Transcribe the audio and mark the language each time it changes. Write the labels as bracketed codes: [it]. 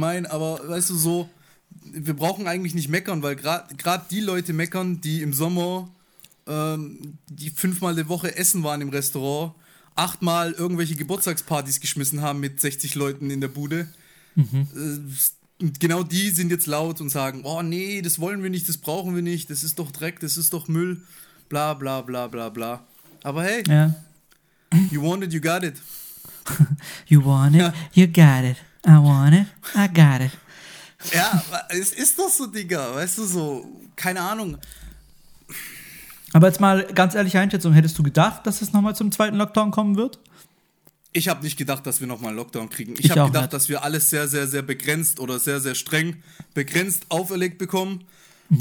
[de] aber weißt du so, wir brauchen eigentlich nicht meckern, weil gerade die Leute meckern, die im Sommer die fünfmal die Woche essen waren im Restaurant, achtmal irgendwelche Geburtstagspartys geschmissen haben mit 60 Leuten in der Bude. Mhm. Genau die sind jetzt laut und sagen, oh nee, das wollen wir nicht, das brauchen wir nicht, das ist doch Dreck, das ist doch Müll, bla bla bla bla bla. [en] Aber hey, you want it, you got it. You want it, you got it. I want it, I got it. [de] Ja, es ist doch so, Digga, weißt du, so, keine Ahnung. Aber jetzt mal ganz ehrliche Einschätzung, hättest du gedacht, dass es nochmal zum zweiten Lockdown kommen wird? Ich habe nicht gedacht, dass wir nochmal einen Lockdown kriegen. Ich habe gedacht, dass wir alles sehr, sehr, sehr begrenzt oder sehr, sehr streng begrenzt auferlegt bekommen. Mhm.